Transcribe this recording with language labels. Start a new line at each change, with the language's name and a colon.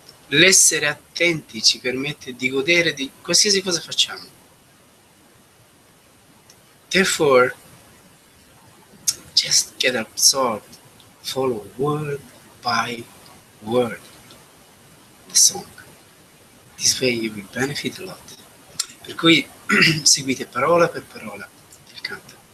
Italian: L'essere attenti ci permette di godere di qualsiasi cosa facciamo.
English: Therefore, just get absorbed, follow word by word, the song. This way you will benefit a lot.
Italian: Per cui seguite parola per parola il canto.